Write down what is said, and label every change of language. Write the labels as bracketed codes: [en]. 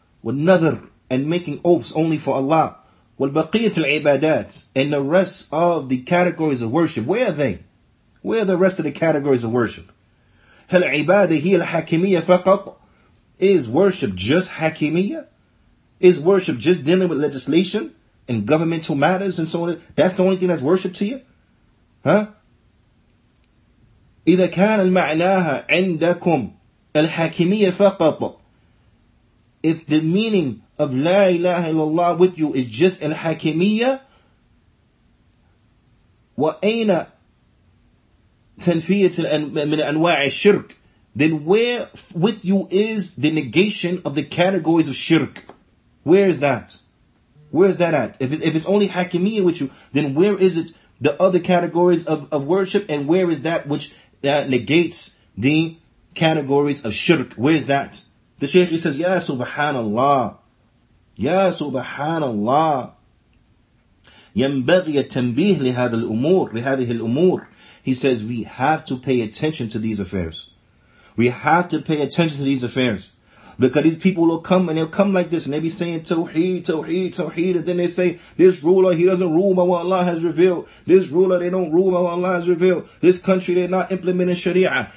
[en] With nadr and making oaths only for Allah. With baqiyat al-ibadat and the rest of the categories of worship. Where are they? Where are the rest of the categories of worship? [ar] Hal ibadah hiya al-hakimiyya faqat? [en] Is worship just hakimiyya? Is worship just dealing with legislation and governmental matters and so on? That's the only thing that's worship to you? Huh? [ar] إذا كان المعناها عندكم الحاكمية فقط. [en] If the meaning of لا إله إلا الله with you is just الحاكمية, [ar] وأين تنفية من أنواع الشرك, [en] then where with you is the negation of the categories of shirk? Where is that? Where is that at? If it's only حاكمية with you, then where is it the other categories of worship, and where is that which that negates the categories of shirk? Where is that? The Shaykh, he says, Ya Subhanallah. Ya Subhanallah. [ar] ينبغي التنبيه لهذه الأمور. لهذه الأمور. [en] He says, we have to pay attention to these affairs. We have to pay attention to these affairs. Because these people will come, and they'll come like this, and they'll be saying Tawheed, Tawheed, Tawheed, and then they say, this ruler, he doesn't rule by what Allah has revealed. This ruler, they don't rule by what Allah has revealed. This country, they're not implementing Sharia.